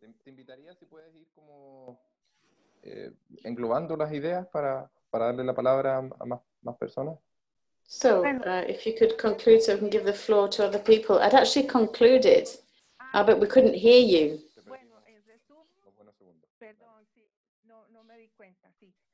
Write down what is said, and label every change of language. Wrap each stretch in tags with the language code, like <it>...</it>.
<es>Te invitaría si puedes ir como englobando las ideas para darle la palabra a más personas.</es> <en>So, if you could conclude so we can give the floor to other people. I'd actually concluded, but we couldn't hear you.</en> <es>Bueno, en resumen, perdón, sí, no me di cuenta, sí.</es>